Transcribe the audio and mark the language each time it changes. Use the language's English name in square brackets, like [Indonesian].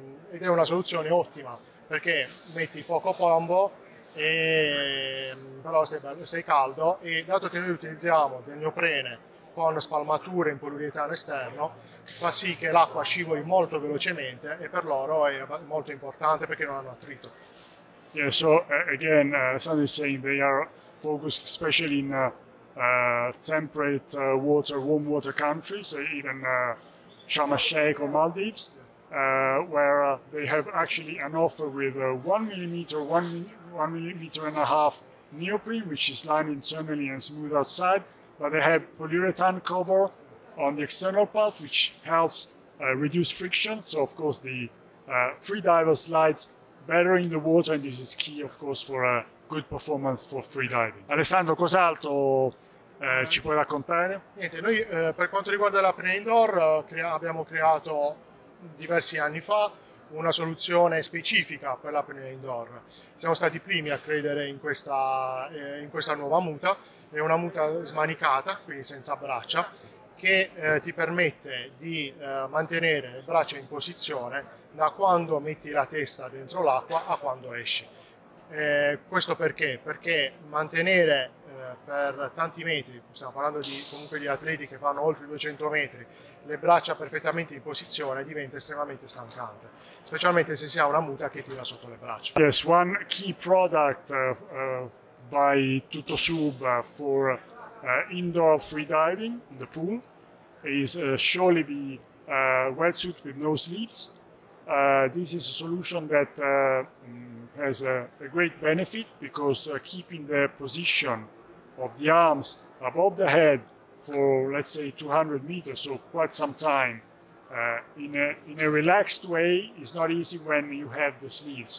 [Italian] ed è una soluzione ottima perché metti poco pombo, e, però sei caldo, e dato che noi utilizziamo del neoprene con spalmature in poliuretano esterno, fa sì che l'acqua scivoli molto velocemente, e per loro è molto importante perché non hanno attrito. [English] Yeah, so again, Sandy is saying they are focused especially in temperate water, warm water countries, even Sharm el-Sheikh or Maldives, where they have actually an offer with one millimeter and a half neoprene, which is lined internally and smooth outside. But they have polyurethane cover on the external part, which helps reduce friction. So, of course, the free diver slides better in the water, and this is key, of course, for a good performance for free diving. [Italian] Alessandro, cos'altro ci puoi raccontare? Niente, noi per quanto riguarda la apnea indoor, abbiamo creato diversi anni fa una soluzione specifica per la apnea indoor. Siamo stati i primi a credere in questa nuova muta. È una muta smanicata, quindi senza braccia, che ti permette di mantenere le braccia in posizione da quando metti la testa dentro l'acqua a quando esci. Questo perché? Perché mantenere per tanti metri, stiamo parlando di comunque di atleti che fanno oltre 200 metri, le braccia perfettamente in posizione diventa estremamente stancante, specialmente se si ha una muta che tira sotto le braccia. [English] Yes, one key product by TuttoSub for indoor free diving in the pool is surely the wetsuit with no sleeves. This is a solution that has a great benefit because keeping the position of the arms above the head for, let's say, 200 meters, so quite some time, in a relaxed way is not easy when you have the sleeves.